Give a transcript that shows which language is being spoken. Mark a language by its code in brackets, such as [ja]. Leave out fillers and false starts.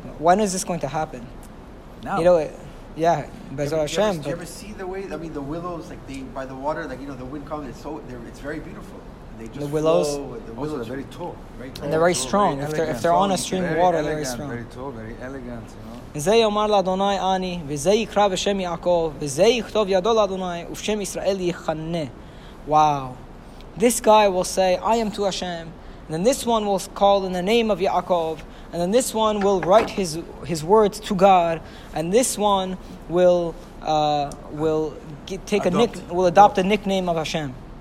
[en] But when is this going to happen? Now. You know, yeah. Bezor Hashem. Do you ever see the way... I mean, the willows, like, they by the water, like, you know, the wind comes, it's very beautiful. They just the willows are very tall, right? And they're very strong. If they're on a stream of water, they're very strong. Very tall, very elegant, you know? [he] וזה יאמר לאדוני אני, וזה יקרא בשם יעקב, וזה יכתוב ידו לאדוני, ובשם ישראל יכנה. [en] Wow. This guy will say, I am to Hashem. And then this one will call in the name of Yaakov. And then this one will write his words to God. And this one will adopt the nickname of Hashem.